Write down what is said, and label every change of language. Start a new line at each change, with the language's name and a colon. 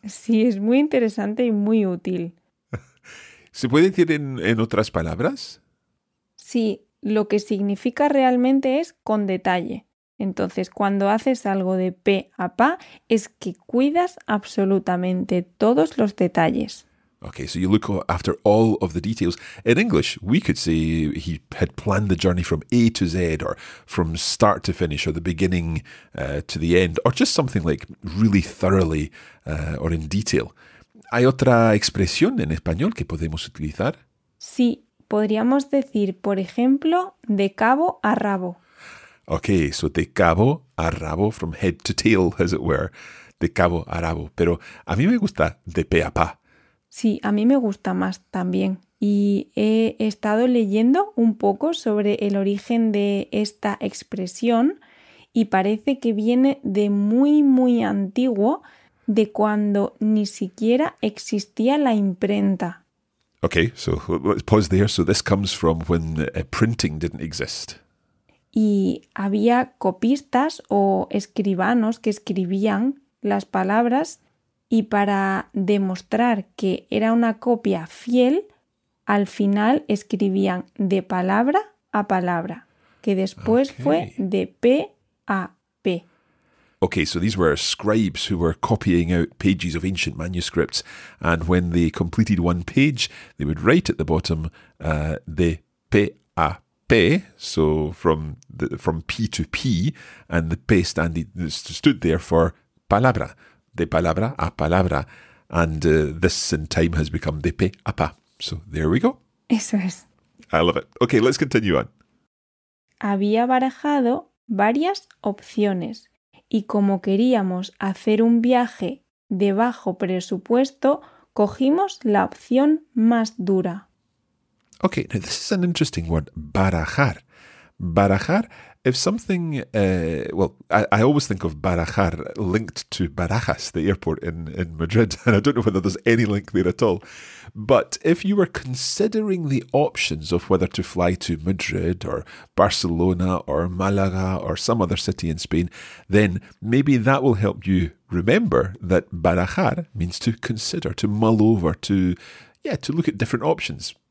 Spanish: Sí, es muy interesante y muy útil. ¿Se puede decir en otras palabras? Sí, lo que significa realmente es con detalle. Entonces, cuando haces algo de pe a pa, es que cuidas absolutamente todos los detalles.
English: Okay, so you look after all of the details. In English, we could say he had planned the journey from A to Z, or from start to finish, or the beginning to the end, or just something like really thoroughly or in detail.
Spanish: ¿Hay otra expresión en español que podemos utilizar? Sí, podríamos decir, por ejemplo, de cabo a rabo.
English: Okay, so
Spanish: de cabo a rabo,
English: from head to tail, as it were. De cabo a rabo.
Spanish: Pero a mí me gusta de pe a pa. Sí, a mí me gusta más también. Y he estado leyendo un poco sobre el origen de esta expresión y parece que viene de muy, muy antiguo, de cuando ni siquiera existía la imprenta.
English: Okay, so let's pause there. So this comes from when printing didn't exist.
Spanish: Y había copistas o escribanos que escribían las palabras. Y para demostrar que era una copia fiel, al final escribían de palabra a palabra, que después okay. Fue de P a P.
English: Okay, so these were scribes who were copying out pages of ancient manuscripts, and when they completed one page, they would write at the bottom de P a P. P, so from P to P, and the P stood there for palabra,
Spanish: de palabra a palabra,
English: and this in time has become
Spanish: de P a pa.
English: So there we go.
Spanish: Eso es.
English: I love it. Okay, let's continue on.
Spanish: Había barajado varias opciones y como queríamos hacer un viaje de bajo presupuesto, cogimos la opción más dura.
English: Okay, now this is an interesting word, barajar. Barajar, if something, I always think of barajar linked to Barajas, the airport in Madrid, and I don't know whether there's any link there at all. But if you were considering the options of whether to fly to Madrid or Barcelona or Malaga or some other city in Spain, then maybe that will help you remember that barajar means to consider, to mull over, to look at different options.